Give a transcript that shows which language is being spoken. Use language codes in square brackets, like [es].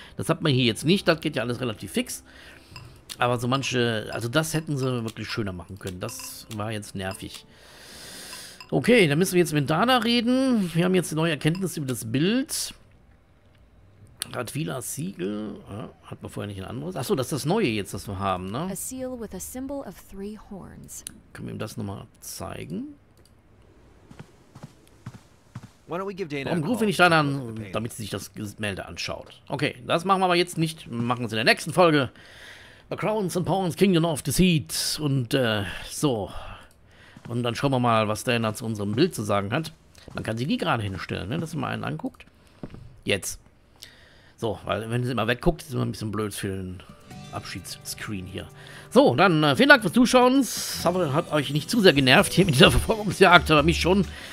[de] Das hat man hier jetzt nicht, das geht ja alles relativ fix. Aber so manche, also das hätten sie wirklich schöner machen können. Das war jetzt nervig. Okay, dann müssen wir jetzt mit Dana reden. Wir haben jetzt eine neue Erkenntnis über das Bild. Radvilas Siegel. Ja, hat man vorher nicht ein anderes? Achso, das ist das Neue jetzt, das wir haben, ne? [en] A seal with a symbol of three horns. [de] Können wir ihm das nochmal zeigen? [en] Why don't we give Dana [de] warum rufe ich Dana an, damit sie sich das Gemälde anschaut? Okay, das machen wir aber jetzt nicht. Wir machen es in der nächsten Folge. [en] The Crowns and Pawns, Kingdom of Deceit. [de] Und so. Und dann schauen wir mal, was Dana zu unserem Bild zu sagen hat. Man kann sie nie gerade hinstellen, ne? Dass man einen anguckt. Jetzt. So, weil wenn sie immer wegguckt, ist immer ein bisschen blöd für den Abschiedsscreen hier. So, dann vielen Dank fürs Zuschauen. Aber hat euch nicht zu sehr genervt hier mit dieser Verfolgungsjagd, aber mich schon.